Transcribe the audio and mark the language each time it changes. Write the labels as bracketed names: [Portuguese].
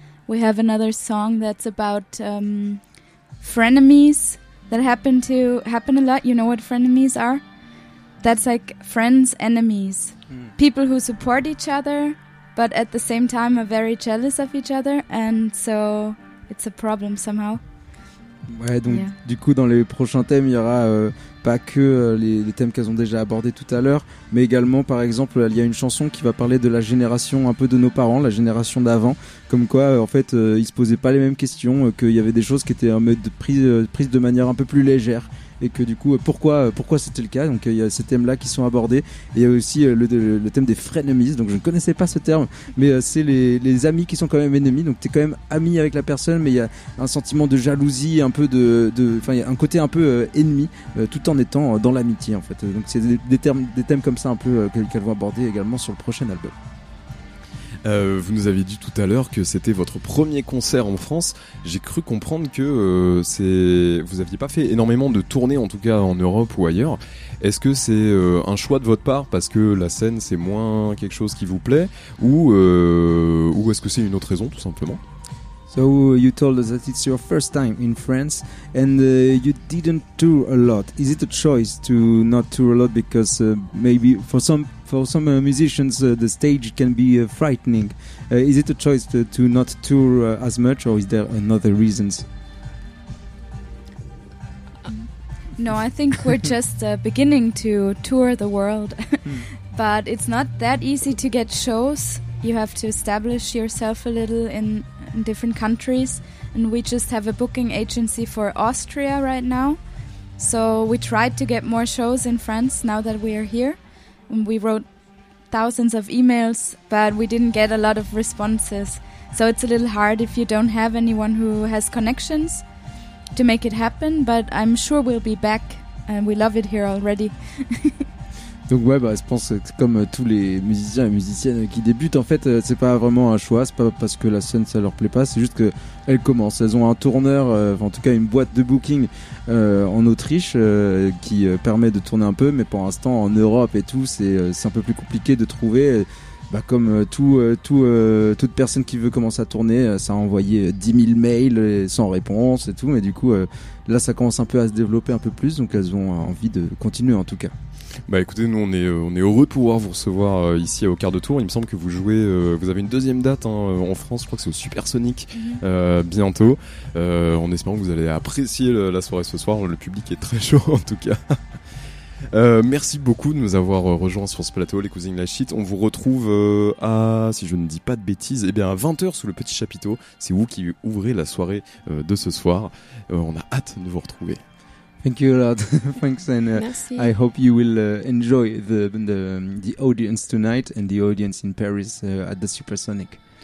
[English] We have another song that's about frenemies, that happen a lot. You know what frenemies are? That's like friends, enemies. People who support each other, but at the same time are very jealous of each other, and so it's a problem somehow. [French] Ouais, donc yeah. Du coup, dans les prochains thèmes, il y aura pas que les thèmes qu'elles ont déjà abordés tout à l'heure, mais également, par exemple, il y a une chanson qui va parler de la génération un peu de nos parents, la génération d'avant, comme quoi, en fait, ils se posaient pas les mêmes questions, qu'il y avait des choses qui étaient en mode prise de manière un peu plus légère, et que du coup, pourquoi c'était le cas. Donc il y a ces thèmes-là qui sont abordés, et il y a aussi le thème des frenemies. Donc je ne connaissais pas ce terme, mais c'est les amis qui sont quand même ennemis. Donc t'es quand même ami avec la personne, mais il y a un sentiment de jalousie, un peu enfin il y a un côté un peu ennemi, tout en étant dans l'amitié en fait. Donc c'est des thèmes comme ça un peu qu'elles vont aborder également sur le prochain album. Vous nous avez dit tout à l'heure que c'était votre premier concert en France. J'ai cru comprendre que vous aviez pas fait énormément de tournées, en tout cas en Europe ou ailleurs. Est-ce que c'est un choix de votre part parce que la scène c'est moins quelque chose qui vous plaît, ou est-ce que c'est une autre raison tout simplement? [English] So you told us that it's your first time in France and you didn't tour a lot. Is it a choice to not tour a lot because maybe for some musicians the stage can be frightening? Is it a choice to not tour as much, or is there another reasons? No, I think we're just beginning to tour the world. But it's not that easy to get shows. You have to establish yourself a little in different countries, and we just have a booking agency for Austria right now, so we tried to get more shows in France now that we are here, and we wrote thousands of emails, but we didn't get a lot of responses. So it's a little hard if you don't have anyone who has connections to make it happen, but I'm sure we'll be back, and we love it here already. [French] Donc ouais, bah, je pense que comme tous les musiciens et musiciennes qui débutent, en fait, c'est pas vraiment un choix, c'est pas parce que la scène ça leur plaît pas, c'est juste qu'elles commencent. Elles ont un tourneur, en tout cas une boîte de booking en Autriche qui permet de tourner un peu, mais pour l'instant en Europe et tout, c'est un peu plus compliqué de trouver. Bah, comme toute personne qui veut commencer à tourner, ça a envoyé 10 000 mails sans réponse et tout, mais du coup, là ça commence un peu à se développer un peu plus, donc elles ont envie de continuer en tout cas. Bah écoutez, nous on est heureux de pouvoir vous recevoir ici au quart de tour. Il me semble que vous jouez, vous avez une deuxième date hein, en France, je crois que c'est au Supersonic bientôt. En espérant que vous allez apprécier la soirée ce soir, le public est très chaud en tout cas. Merci beaucoup de nous avoir rejoints sur ce plateau, les Cousins Lachit. On vous retrouve à, si je ne dis pas de bêtises, et bien à 20h sous le petit chapiteau. C'est vous qui ouvrez la soirée de ce soir. On a hâte de vous retrouver. [English] Thank you a lot. Thanks, and [French] merci. [English] I hope you will enjoy the audience tonight and the audience in Paris at the Supersonic.